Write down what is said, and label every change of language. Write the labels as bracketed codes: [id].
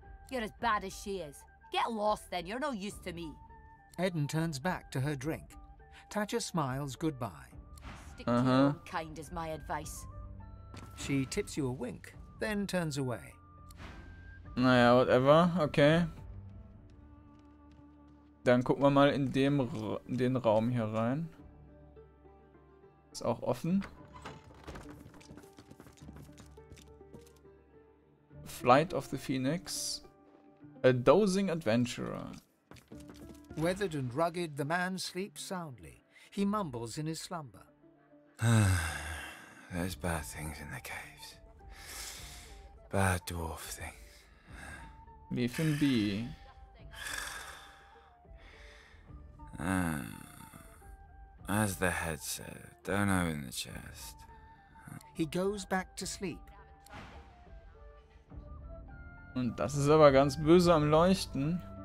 [en] You're as bad as she is. Get lost then, you're no use to me. Eden turns back to her drink. Thatcher smiles goodbye. Stick to your own kind is my advice. She tips you a wink, then turns away. Naja, whatever, okay. [de] Dann gucken wir mal in den Raum hier rein. Ist auch offen. [en] Flight of the Phoenix. A dozing adventurer. Weathered and rugged, the man sleeps soundly. He mumbles in his slumber. There's bad things in the caves. Bad dwarf things. Mephin B. As the head said, don't open the chest. He goes back to sleep. [de] Und das ist aber ganz böse am Leuchten.